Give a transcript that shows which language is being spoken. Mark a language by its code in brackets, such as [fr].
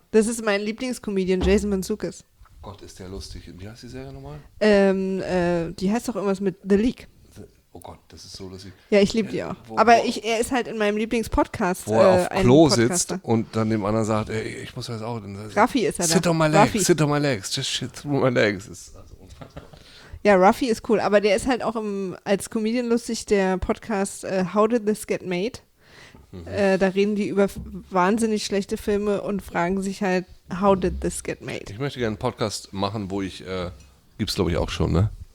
[de] Das ist mein Lieblingscomedian, Jason Mantzoukas. Gott, ist der lustig. Wie heißt die Serie nochmal? Die heißt doch irgendwas mit The League. Oh Gott, das ist so lustig. Ja, ich liebe die auch. Er ist halt in meinem Lieblingspodcast. Wo er auf Klo sitzt und dann dem anderen sagt, ey, ich muss das auch. Raffi ist er da. [en] Sit on my legs, just shit through my legs. [de] Das ist also unfassbar. Ja, Ruffy ist cool, aber der ist halt auch als Comedian lustig, der Podcast How Did This Get Made? Mhm. Da reden die über wahnsinnig schlechte Filme und fragen sich halt, How Did This Get Made? Ich möchte gerne einen Podcast machen, wo ich, gibt's glaube ich auch schon, ne?